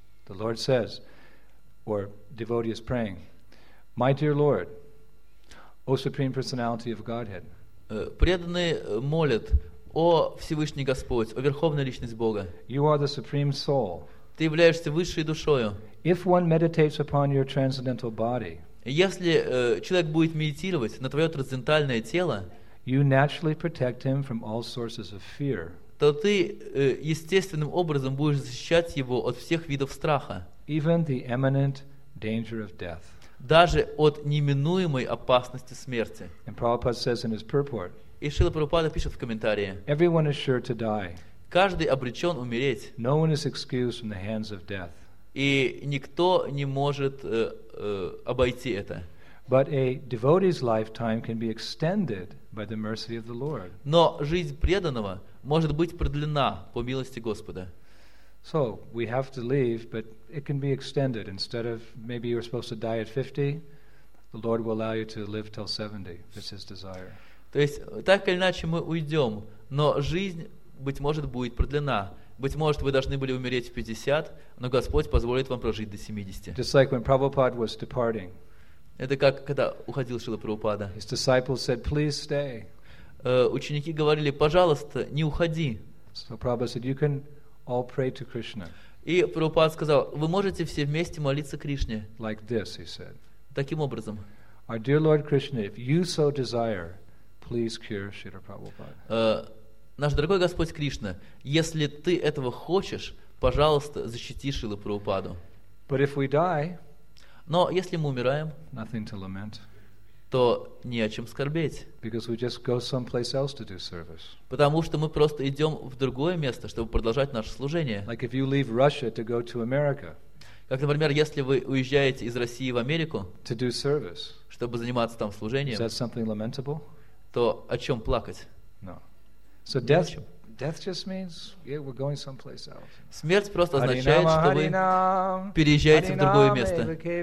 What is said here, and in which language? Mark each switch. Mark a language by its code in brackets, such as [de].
[en] The Lord says, or devotee is praying, My dear Lord, O Supreme Personality of Godhead. [ru] Преданный молит, о Всевышний Господь, о Верховная Личность Бога. [en] You are the Supreme Soul. [ru] Ты являешься Высшей Душою. [en] If one meditates upon your transcendental body, [ru] если человек будет медитировать на твое трансцендентальное тело, [en] you naturally protect him from all sources of fear. [ru] То ты естественным образом будешь защищать его от всех видов страха. [en] Even the imminent danger of death. [ru] Даже от неминуемой опасности смерти. [en] And Prabhupada says in his purport, [ru] и Шрила Прабхупада пишет в комментарии, [en] Everyone is sure to die. [ru] Каждый обречен умереть. [en] No one is excused from the hands of death. [ru] И никто не может обойти это. [en] But a devotee's lifetime can be extended by the mercy of the Lord. [ru] Но жизнь преданного может быть продлена по милости Господа. [en] So we have to leave, but it can be extended. Instead of maybe you were supposed to die at 50, the Lord will allow you to live till 70. It's His desire. [ru] То есть так или иначе мы уйдем, но жизнь быть может будет продлена. Быть может, вы должны были умереть в 50, но Господь позволит вам прожить до 70. [en] Just like when Prabhupada was departing. [ru] Это как когда уходил Шрила Прабхупада. [en] His disciples said, "Please stay." [ru] Ученики говорили, пожалуйста, не уходи. [en] So Prabhupada said, "You can all pray to Krishna." [ru] И Прабхупада сказал, вы можете все вместе молиться Кришне. [en] Like this, he said. [ru] Таким образом. [en] Our dear Lord Krishna, if you so desire, please cure Shrila Prabhupada. [ru] Наш дорогой Господь Кришна, если ты этого хочешь, пожалуйста, защити Шрилу Прабхупаду. [en] But if we die, [ru] но если мы умираем, [en] nothing to lament. [ru] То не о чем скорбеть. [en] Because we just go someplace else to do service. [ru] Потому что мы просто идем в другое место, чтобы продолжать наше служение. [en] Like if you leave Russia to go to America. [ru] Как, например, если вы уезжаете из России в Америку, [en] to do service. [ru] Чтобы заниматься там служением, [en] is that something lamentable? [ru] То о чем плакать? [en] No. So death, death just means, yeah, we're going someplace else. [ru] Смерть просто означает, что вы переезжаете в другое место.